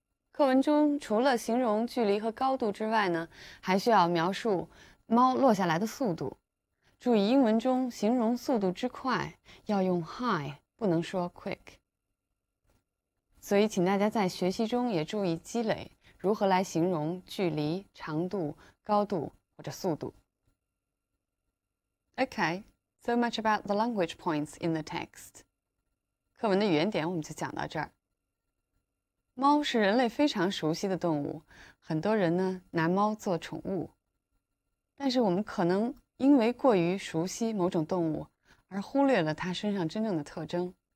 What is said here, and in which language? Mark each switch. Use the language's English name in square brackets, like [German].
[Chinese] 课文中除了形容距离和高度之外呢，还需要描述猫落下来的速度。注意英文中形容速度之快要用 high， 不能说 quick。所以请大家在学习中也注意积累如何来形容距离、长度、高度或者速度。 [English] Okay, so much about the language points in the text. [Chinese] 课文的语言点我们就讲到这儿。猫是人类非常熟悉的动物，很多人呢拿猫做宠物。但是我们可能因为过于熟悉某种动物而忽略了它身上真正的特征。